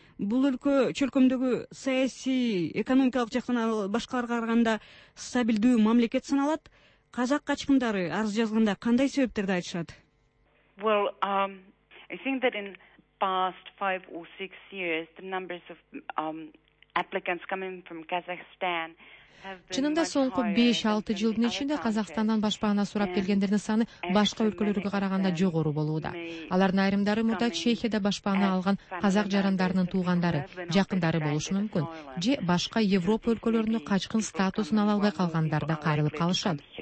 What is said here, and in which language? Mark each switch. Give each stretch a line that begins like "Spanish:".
Kyrgyz: Бул өлкө чөлкөмдөгү саясий, экономикалык жактан башкаларга караганда стабилдүү мамлекет саналат. Казак качкындары арыз жазганда кандай себептерди айтышат?
English: Well, I think that in past 5 or 6 years the numbers of applicants coming from Kazakhstan.
Kyrgyz: Чынында соңку 5-6 жылдын ичинде Казакстандан башпаана сурап келгендердин саны башка өлкөлөргө караганда жогору болууда. Алардын айрымдары мурда Чехияда башпаана алган казак жарандарынын туугандары, жакындары болушу мүмкүн же башка Европа өлкөлөрүнө качкын статусун ала албай калгандар да кайрылып калышат.